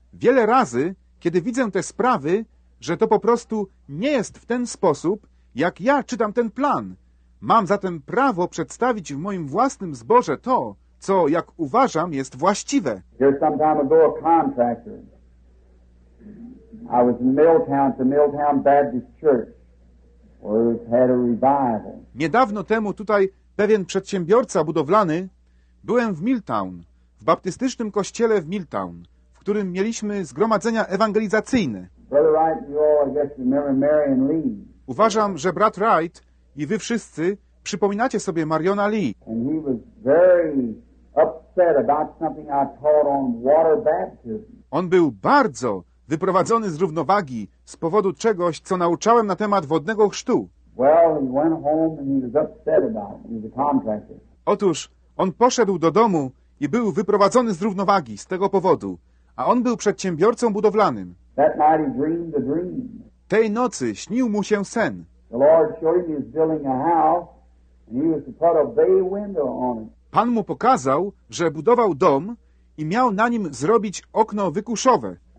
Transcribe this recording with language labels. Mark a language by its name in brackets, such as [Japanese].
[Polish] Wiele razy, kiedy widzę te sprawy, że to po prostu nie jest w ten sposób, jak ja czytam ten plan. Mam zatem prawo przedstawić w moim własnym zborze to, co, jak uważam, jest właściwe. [English] Here some time ago a contractor. I was in Milltown, the Milltown Baptist Church, where it had a revival. [Polish] Niedawno temu tutaj pewien przedsiębiorca budowlany, byłem w Milltown, w baptystycznym kościele w Milltown, w którym mieliśmy zgromadzenia ewangelizacyjne. [English] Brother Wright, you all, I guess, remember Marion Lee. [Polish] Uważam, że brat Wright i wy wszyscy przypominacie sobie Mariona Lee. [English] And he was very upset about something I taught on water baptism. [Polish] On był bardzo wyprowadzony z równowagi z powodu czegoś, co nauczałem na temat wodnego chrztu. [English] Well, he went home and he was upset about it. He was a contractor. [Polish] Otóż on poszedł do domu i był wyprowadzony z równowagi z tego powodu, a on był przedsiębiorcą budowlanym. [English] That night he dreamed a dream. [Polish] Tej nocy śnił mu się sen. [English] The Lord showed him he was building a house and he was to put a bay window on it. [Polish] Pan mu pokazał, że budował dom i miał na nim zrobić okno wykuszowe.